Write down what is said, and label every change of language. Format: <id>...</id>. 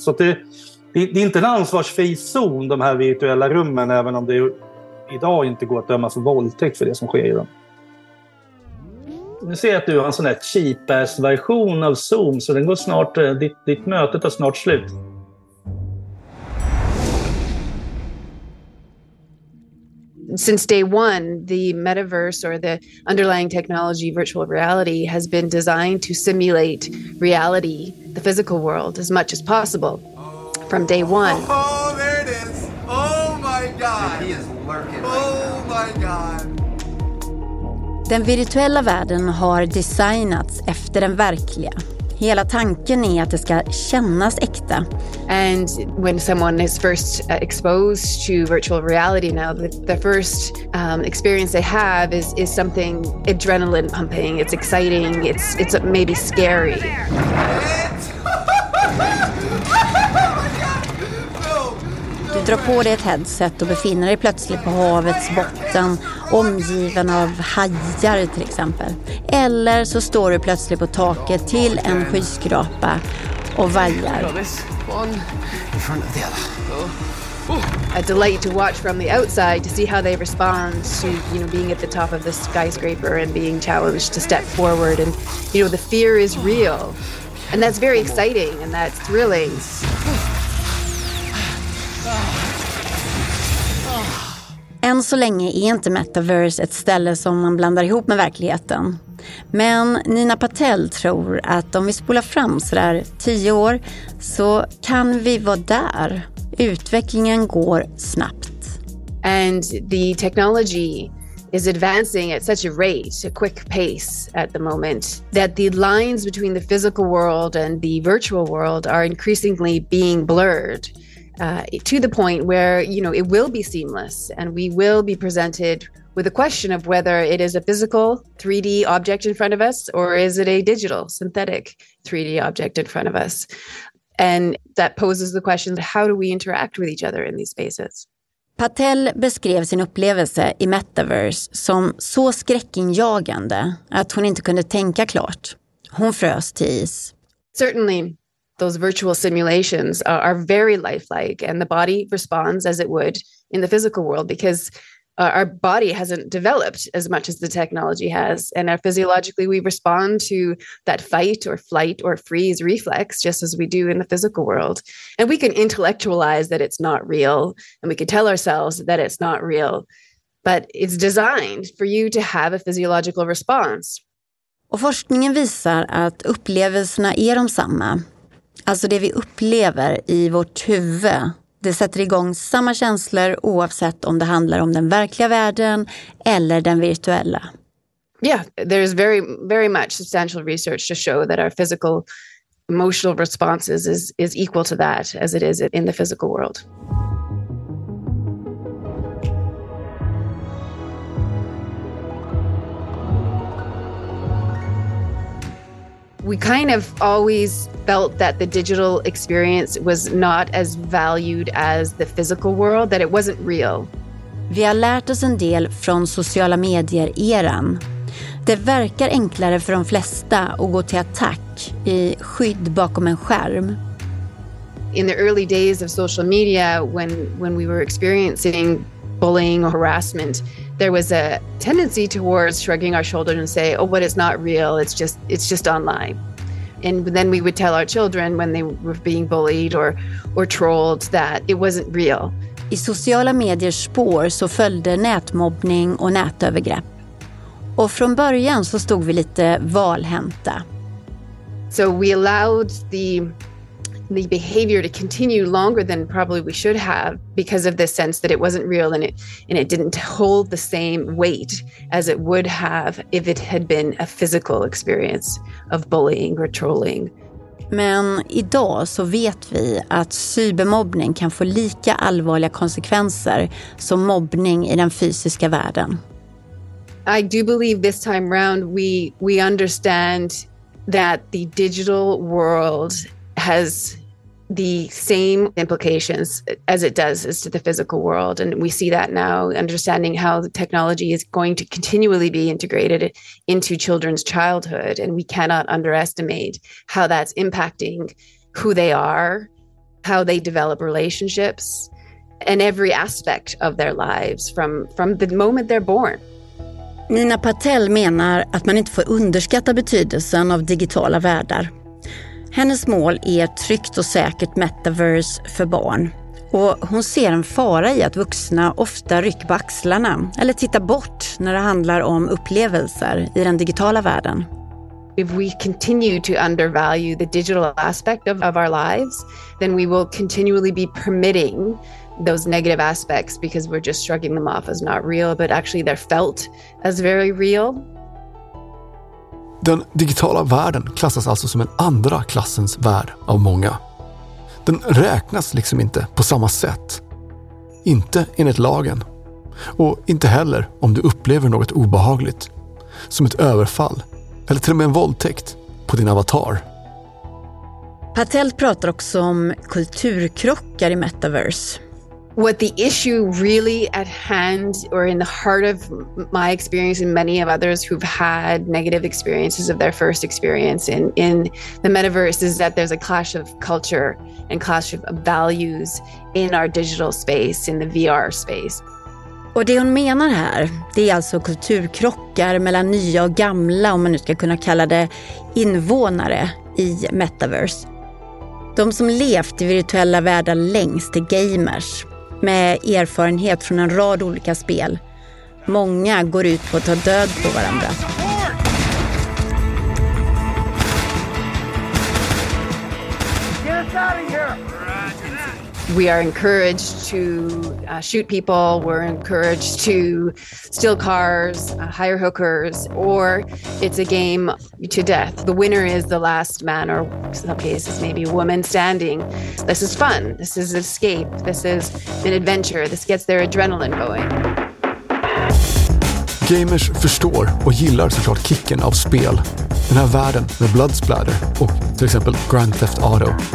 <sv>Så att det är inte en ansvarsfri zon, de här virtuella rummen, även om det idag inte går att dömas för våldtäkt för det som sker i dem. Nu ser jag att du har en sån här cheap-ass-version av Zoom, så den går snart, ditt möte tar snart slut.</sv> <en>Since day one, the metaverse or the underlying technology virtual reality has been designed to simulate reality, the physical world, as much as possible. From day one. Oh, there it is! Oh my god! He is lurking. Oh my god!</en> <sv>Den virtuella världen har designats efter den verkliga. Hela tanken är att det ska kännas äkta.</sv> <en>And when someone is first exposed to virtual reality now, the first experience they have is something adrenaline pumping. It's exciting. It's maybe scary.</en> <sv>Du drar på dig ett headset och befinner dig plötsligt på havets botten, omgiven av hajar till exempel. Eller så står du plötsligt på taket till en skyskrapa och vajar.</sv> <en>A delight to watch from the outside to see how they respond to, you know, being at the top of the skyscraper and being challenged to step forward, and you know the fear is real. And that's very exciting and that's thrilling.</en> <sv>Än så länge är inte Metaverse ett ställe som man blandar ihop med verkligheten. Men Nina Patel tror att om vi spolar fram sådär 10 år så kan vi vara där. Utvecklingen går snabbt.</sv> <en>And the technology is advancing at such a rate, a quick pace at the moment, that the lines between the physical world and the virtual world are increasingly being blurred. To the point where, you know, it will be seamless and we will be presented with a question of whether it is a physical 3D object in front of us or is it a digital synthetic 3D object in front of us. And that poses the question, how do we interact with each other in these spaces?</en> <sv>Patel beskrev sin upplevelse i Metaverse som så skräckinjagande att hon inte kunde tänka klart. Hon frös till is.</sv> <en>Certainly, those virtual simulations are very lifelike and the body responds as it would in the physical world because our body hasn't developed as much as the technology has. And our physiologically, we respond to that fight or flight or freeze reflex just as we do in the physical world. And we can intellectualize that it's not real and we can tell ourselves that it's not real, but it's designed for you to have a physiological response.</en> <sv>Och forskningen visar att upplevelserna är de samma. Alltså det vi upplever i vårt huvud, det sätter igång samma känslor oavsett om det handlar om den verkliga världen eller den virtuella.</sv> <en>Yeah, there is very very much substantial research to show that our physical emotional responses is equal to that as it is in the physical world. We kind of always felt that the digital experience was not as valued as the physical world, that it wasn't real.</en> <sv>Vi har lärt oss en del från sociala medier-eran. Det verkar enklare för de flesta att gå till attack i skydd bakom en skärm.</sv> <en>In the early days of social media, when we were experiencing bullying or harassment, there was a tendency towards shrugging our shoulders and say, oh, but it's not real, it's just online. And then we would tell our children when they were being bullied or trolled that it wasn't real.</en> <sv>I sociala mediers spår så följde nätmobbning och nätövergrepp. Och från början så stod vi lite valhänta.</sv> <en>So we allowed the behavior to continue longer than probably we should have because of the sense that it wasn't real and it didn't hold the same weight as it would have if it had been a physical experience of bullying or trolling.</en> <sv>Men idag så vet vi att cybermobbning kan få lika allvarliga konsekvenser som mobbning i den fysiska världen.</sv> <en>I do believe this time round we understand that the digital world has the same implications as it does as to the physical world. And we see that now, understanding how the technology is going to continually be integrated into children's childhood. And we cannot underestimate how that's impacting who they are, how they develop relationships, and every aspect of their lives from the moment they're born.</en> <sv>Nina Patel menar att man inte får underskatta betydelsen av digitala världar. Hennes mål är ett tryggt och säkert metaverse för barn. Och hon ser en fara i att vuxna ofta rycker på axlarna eller tittar bort när det handlar om upplevelser i den digitala världen.</sv> <en>If we continue to undervalue the digital aspect of our lives, then we will continually be permitting those negative aspects because we're just shrugging them off as not real, but actually they're felt as very real.</en> <sv>Den digitala världen klassas alltså som en andra klassens värld av många. Den räknas liksom inte på samma sätt. Inte enligt lagen. Och inte heller om du upplever något obehagligt. Som ett överfall. Eller till och med en våldtäkt på din avatar. Patel pratar också om kulturkrockar i Metaverse.</sv> <en>What the issue really at hand or in the heart of my experience and many of others who've had negative experiences of their first experience in the metaverse is that there's a clash of culture and clash of values in our digital space, in the VR space.</en> <sv>Och det hon menar här, det är alltså kulturkrockar mellan nya och gamla, om man nu ska kunna kalla det invånare i metaverse. De som levt i virtuella världar längst är gamers. Med erfarenhet från en rad olika spel. Många går ut på att ta död på varandra.</sv> <en>We are encouraged to shoot people, we're encouraged to steal cars, hire hookers, or it's a game to death. The winner is the last man, or in some cases maybe a woman standing. This is fun, this is an escape, this is an adventure, this gets their adrenaline going.</en> <sv>Gamers förstår och gillar såklart kicken av spel. Den här världen med</sv> <en>blood splatter</en> <sv>och till exempel Grand Theft Auto.</sv>